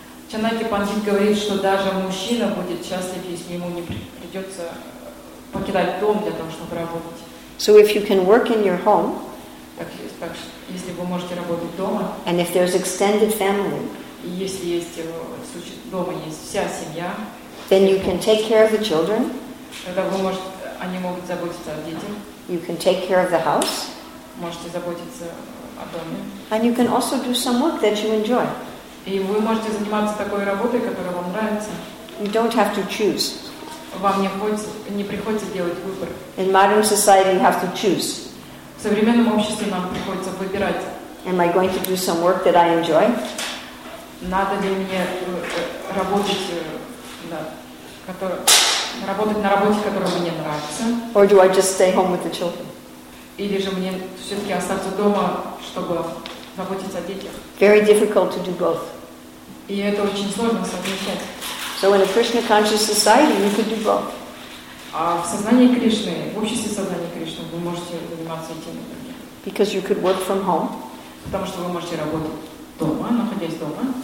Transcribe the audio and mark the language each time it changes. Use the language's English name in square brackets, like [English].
[Russian] Чанаки Пандит говорит, что даже мужчина будет счастлив, если ему не придется покидать дом для того, чтобы работать. [English] So if you can work in your home, [Russian] так, если вы можете работать дома, [English] and if there's extended family, [Russian] если есть, дома есть вся семья, [English] then you can take care of the children, [Russian] тогда вы можете, они могут заботиться о детях, [English] you can take care of the house, [Russian] можете заботиться о доме, [English] and you can also do some work that you enjoy. [Russian] И вы можете заниматься такой работой, которая вам нравится. [English] You don't have to choose. [Russian] Вам не приходится делать выбор. [English] In modern society, you have to choose. [Russian] В современном обществе нам приходится выбирать. [English] Am I going to do some work that I enjoy? [Russian] Надо ли мне работать на работе, которая мне нравится? [English] Or do I just stay home with the children? [Russian] Или же мне все-таки остаться дома, чтобы заботиться о детях? [English] Very difficult to do both. [Russian] И это очень сложно совмещать. [English] So in a Krishna conscious society, you could do both. [Russian] А в сознании Кришны, в обществе сознания Кришны, вы можете заниматься этим. [English] Because you could work from home. [Russian] Потому что вы можете работать дома, находясь дома.